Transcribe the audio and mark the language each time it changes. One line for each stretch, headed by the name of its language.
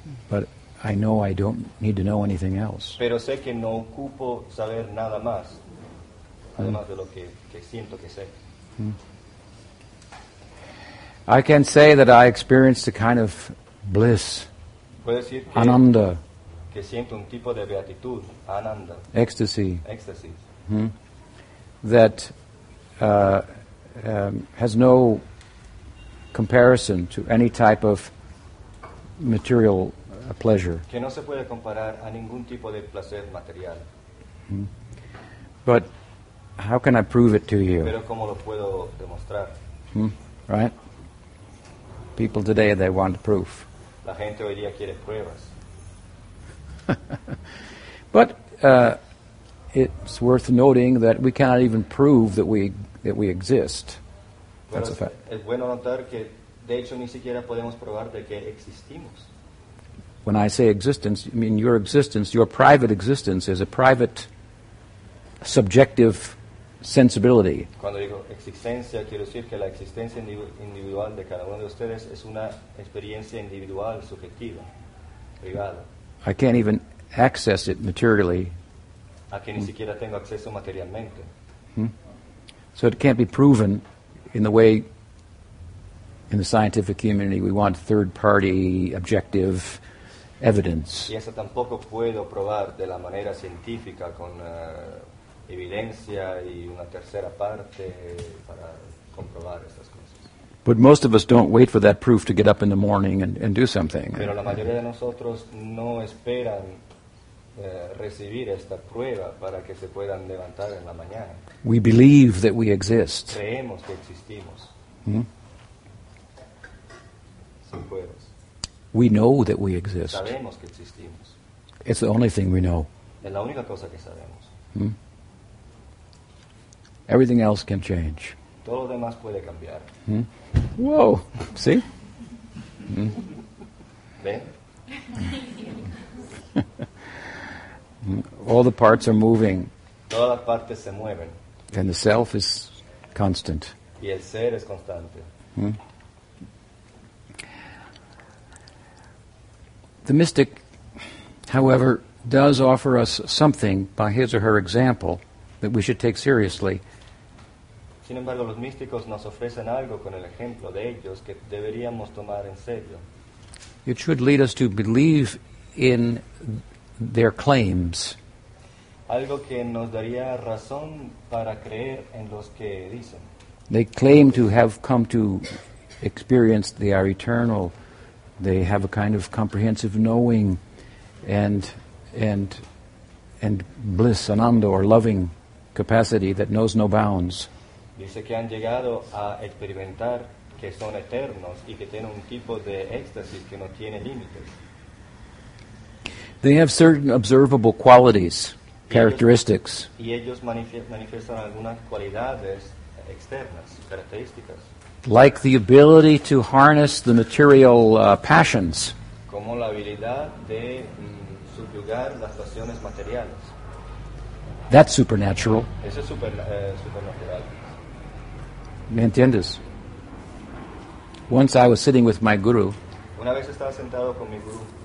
English: But I know I don't need to know anything else.
Spanish: Pero sé que no ocupo saber nada más, además de lo que siento que sé.
English: I can say that I experienced a kind of bliss.
Spanish: Puedo decir que ananda. Que siento un tipo de beatitud, ananda.
English: Ecstasy. Ecstasy. That has no comparison to any type of material pleasure.
Spanish: Que no se puede comparar a ningún tipo de placer material.
English: But how can I prove it to you?
Spanish: Pero ¿cómo lo puedo demostrar?
English: Right? People today, they want proof.
Spanish: La gente hoy día quiere pruebas.
English: But it's worth noting that we cannot even prove that we exist. That's a fact.
Spanish: Es bueno notar que de hecho ni siquiera podemos probar de que existimos.
English: When I say existence, I mean your existence, your private existence is a private, subjective sensibility.
Spanish: Cuando digo existencia, quiero decir que la existencia individual de cada uno de ustedes es una experiencia individual, subjetiva, privada.
English: I can't even access it materially.
Spanish: Aquí ni siquiera tengo acceso materialmente.
English: So it can't be proven in the way in the scientific community we want third-party objective evidence.
Spanish: Y eso tampoco puedo probar de la manera científica con evidencia y una tercera parte para comprobar estas cosas.
English: But most of us don't wait for that proof to get up in the morning and do something.
Spanish: Pero la mayoría de nosotros no esperan recibir esta prueba para que se puedan levantar en la mañana.
English: We believe that we exist.
Spanish: Creemos que existimos. Sin pruebas.
English: We know that we exist.
Spanish: Sabemos que existimos.
English: It's the only thing we know.
Spanish: Es la única cosa que sabemos.
English: Everything else can change.
Spanish: Todo lo demás puede cambiar.
English: Whoa, see?
Spanish: ¿Ven?
English: All the parts are moving.
Spanish: Todas las partes se mueven.
English: And the self is constant.
Spanish: Y el ser es constante.
English: The mystic, however, does offer us something by his or her example that we should take seriously.
Spanish: Sin embargo, los místicos nos ofrecen algo con el ejemplo de ellos que deberíamos tomar en serio.
English: It should lead us to believe in their claims.
Spanish: Algo que nos daría razón para creer en los que dicen.
English: They claim to have come to experience they are eternal. They have a kind of comprehensive knowing and bliss, ananda, or loving capacity that knows no bounds.
Spanish: Dice que han llegado a experimentar que son eternos y que tienen un tipo de éxtasis que no tiene límites.
English: They have certain observable qualities, characteristics.
Spanish: Y ellos manifiestan algunas cualidades externas, características.
English: Like the ability to harness the material passions.
Spanish: Como la habilidad de subyugar las pasiones materiales.
English: That's supernatural.
Spanish: Eso es supernatural. ¿Me entiendes?
English: Once I was sitting with my guru.
Spanish: Una vez estaba sentado con mi guru.